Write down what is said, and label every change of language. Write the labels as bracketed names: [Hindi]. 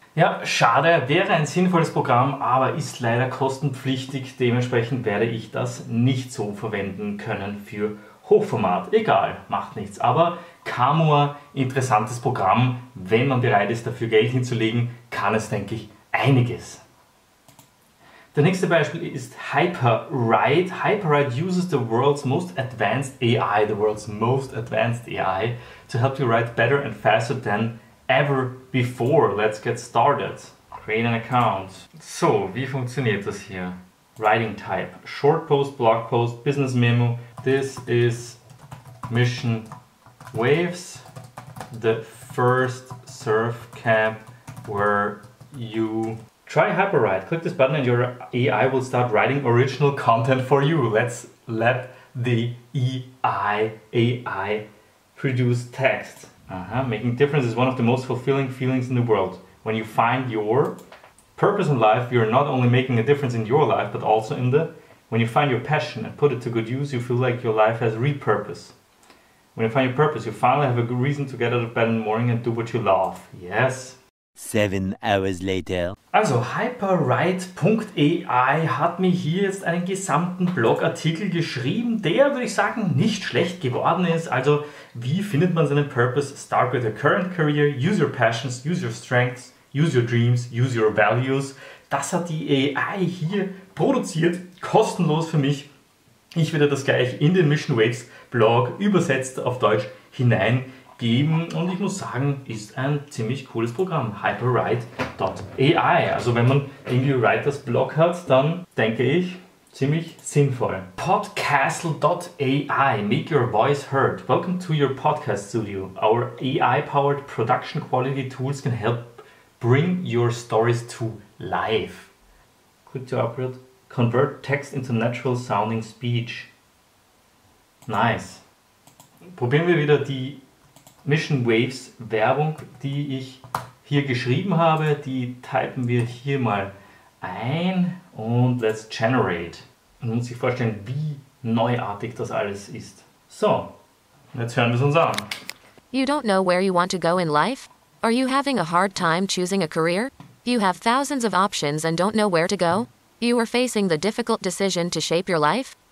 [German] Ja, schade, wäre ein sinnvolles Programm, aber ist leider kostenpflichtig. Dementsprechend werde ich das nicht so verwenden können für Hochformat. Egal, macht nichts. Aber Camoa, interessantes Programm. Wenn man bereit ist, dafür Geld hinzulegen, kann es, denke ich, einiges. Der nächste Beispiel ist HyperWrite. [English] HyperWrite uses the world's most advanced AI, to help you write better and faster than ever before. Let's get started. Create an account. [German] So, wie funktioniert das hier? [English] Writing type. Short post, blog post, business memo. This is Mission Waves, the first surf camp where you try HyperWrite. Click this button and your AI will start writing original content for you. Let's let the AI produce text. Making difference is one of the most fulfilling feelings in the world. When you find your purpose in life, you're not only making a difference in your life, but also in the When you find your passion and put it to good use, you feel like your life has repurpose. When you find your purpose, you finally have a good reason to get out of bed in the morning and do what you love. Yes? 7 hours later. [German] Also, HyperWrite.ai hat mir hier jetzt einen gesamten Blogartikel geschrieben, der, würde ich sagen, nicht schlecht geworden ist. Also, wie findet man seinen Purpose? [English] Start with your current career, use your passions, use your strengths, use your dreams, use your values. [German] Das hat die AI hier produziert, kostenlos für mich. Ich werde das gleich in den Mission Waves Blog übersetzt auf Deutsch hineingeben. Und ich muss sagen, ist ein ziemlich cooles Programm. HyperWrite.ai. Also wenn man irgendwie Writers Blog hat, dann denke ich, ziemlich sinnvoll. [English] Podcastle.ai. Make your voice heard. Welcome to your podcast studio. Our AI-powered production quality tools can help bring your stories to life. Quick to operate. Convert text into natural sounding speech. Nice. [German] Probieren wir wieder die Mission Waves Werbung, die ich hier geschrieben habe. Die typen wir hier mal ein und [English] let's generate. [German] Man muss sich vorstellen, wie neuartig das alles ist. So, jetzt hören wir es uns an. [English] You don't know where you want to go in life? Are you having a hard time choosing a career? You have thousands of options and don't know where to go? You are facing the difficult decision to shape your life?